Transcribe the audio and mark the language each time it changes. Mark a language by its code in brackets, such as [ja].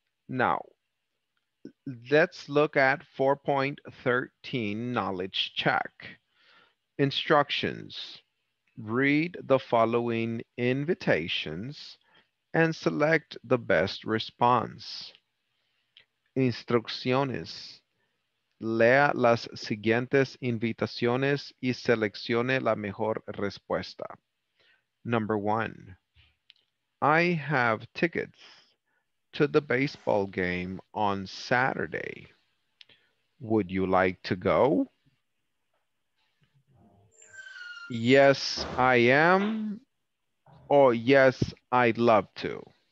[en] Now, let's look at 4.13 knowledge check. Instructions. Read the following invitations and select the best response. [es] Instrucciones. Lea las siguientes invitaciones y seleccione la mejor respuesta. [en] Number one. I have tickets to the baseball game on Saturday. Would you like to go? Yes, I am. Or yes, I'd love to.